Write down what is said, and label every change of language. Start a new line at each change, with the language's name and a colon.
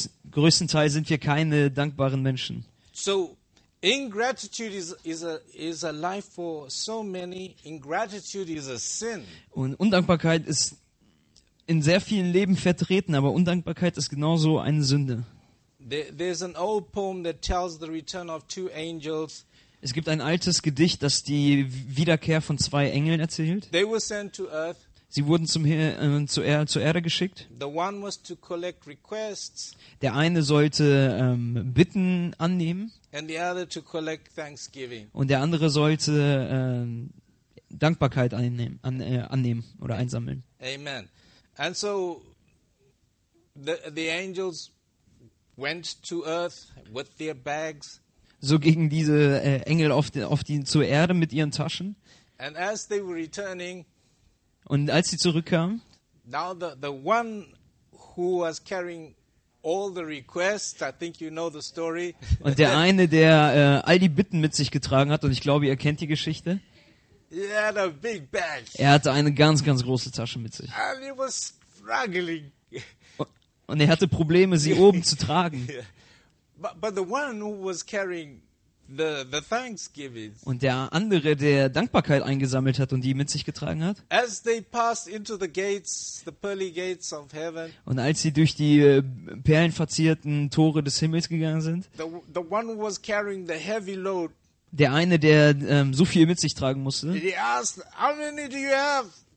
German: Größtenteils sind wir keine dankbaren Menschen.
English: So, ingratitude is a life for so many. Ingratitude is a sin.
German: Und Undankbarkeit ist in sehr vielen Leben vertreten, aber Undankbarkeit ist genauso eine Sünde.
English: There's an old poem that tells the return of two angels.
German: Es gibt ein altes Gedicht, das die Wiederkehr von zwei Engeln erzählt.
English: They were sent to earth.
German: Sie wurden zur Erde geschickt.
English: The one was to collect requests.
German: Der eine sollte Bitten annehmen.
English: And the other to collect thanksgiving.
German: Und der andere sollte Dankbarkeit annehmen oder einsammeln.
English: Amen. And so the angels went to earth with their bags.
German: So gingen diese Engel zur Erde mit ihren Taschen.
English: And as they were returning.
German: Und als sie zurückkamen,
English: now the one who was carrying all the requests, I think you know the story.
German: Und der eine, der all die Bitten mit sich getragen hat, und ich glaube, ihr kennt die Geschichte.
English: He had a big bag.
German: Er hatte eine ganz, ganz große Tasche mit sich.
English: And he was struggling.
German: Und er hatte Probleme, sie oben zu tragen.
English: But the one who was carrying the thanksgiving.
German: Und der andere, der Dankbarkeit eingesammelt hat und die mit sich getragen hat.
English: As they passed into the gates, the pearly gates of heaven.
German: Und als sie durch die perlenverzierten Tore des Himmels gegangen sind.
English: The one who was carrying the heavy load.
German: Der eine, der so viel mit sich tragen musste.
English: He asked, how many do you have?